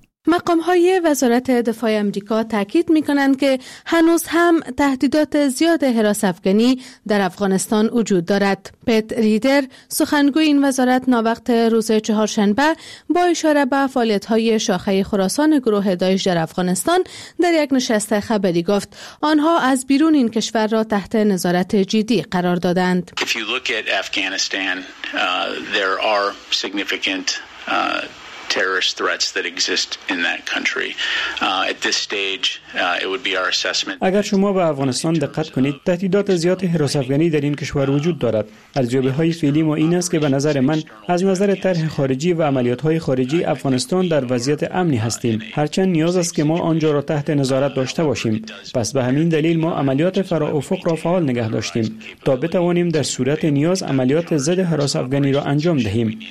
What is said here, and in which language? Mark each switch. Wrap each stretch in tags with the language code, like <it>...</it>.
<fa>مقام‌های وزارت دفاع آمریکا تأکید می‌کنند که هنوز هم تهدیدات زیاد هراس افغانی در افغانستان وجود دارد. پیت ریدر، سخنگوی این وزارت، ناوقت روز چهارشنبه با اشاره به فعالیت‌های شاخه خراسان گروه داعش در افغانستان در یک نشست خبری گفت آنها از بیرون این کشور را تحت نظارت جدی قرار دادند.</fa> <en>If you look at Afghanistan, there are significant terrorist threats that exist in that country. At this stage, it would be our assessment.</en> <fa>اگر شما به افغانستان دقت کنید، تهدیدات زیاد هراس افغانی در این کشور وجود دارد. ارزیابی‌های فعلی ما این است که به نظر من از نظر طرح خارجی و عملیات‌های خارجی افغانستان در وضعیت امنی هستیم. هرچند نیاز است که ما آنجا را تحت نظارت داشته باشیم. پس به همین دلیل ما عملیات فرافق را فعال نگه داشتیم تا بتوانیم در صورت نیاز عملیات ضد هراس افغانی را انجام دهیم.</fa>